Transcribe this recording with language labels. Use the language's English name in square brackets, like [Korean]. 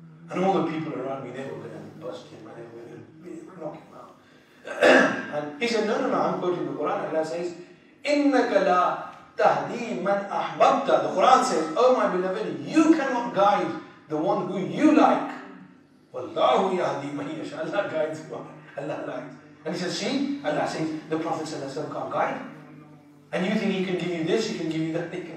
[English] And all the people around me, they were going to bust him, and they were going to knock him out. And he said, no, I'm quoting the Quran. Allah says, [Arabic] إِنَّكَ لَا تَهْدِي مَنْ أَحْبَبْتَ. [English] The Quran says, oh my beloved, you cannot guide the one who you like. [Arabic] وَاللَّهُ يَهْدِي مَنْ يَشَاءَ. [English] Allah guides one. Allah likes. And he says, see, Allah says, the Prophet can't guide. And you think he can give you this, he can give you that.